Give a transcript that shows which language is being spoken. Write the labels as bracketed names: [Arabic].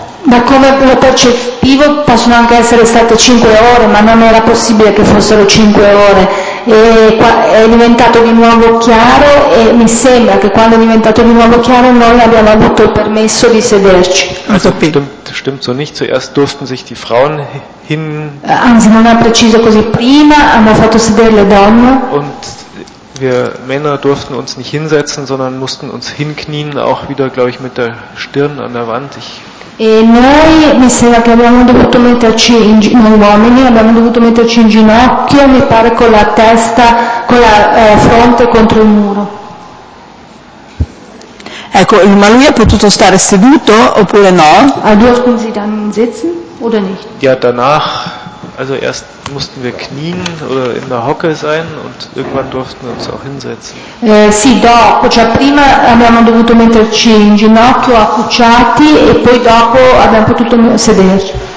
[Italian] Da come lo percepivo possono anche essere state 5 ore, ma non era possibile che fossero 5 ore. E qua è diventato di nuovo chiaro e mi sembra che quando è diventato di nuovo chiaro noi abbiamo avuto il permesso di sederci. [German] Stimmt so nicht, zuerst durften sich die Frauen hin. [Italian] Anzi, non è preciso così, prima hanno fatto sedere le donne. [German] Und wir Männer durften uns nicht hinsetzen, sondern mussten uns hinknien, auch wieder, glaube ich, mit der Stirn an der Wand. [Italian] E noi mi sembra che abbiamo dovuto metterci in uomini, abbiamo dovuto metterci in ginocchio, mi pare con la testa, con la fronte contro il muro. Ecco, ma lui ha potuto stare seduto oppure no? [German] Durften Sie dann sitzen oder nicht? Ja, danach, also erst mussten wir knien oder in der Hocke sein und irgendwann durften wir uns auch hinsetzen. [Italian] Sì, dopo, cioè prima abbiamo dovuto metterci in ginocchio accucciati e poi dopo abbiamo potuto sederci.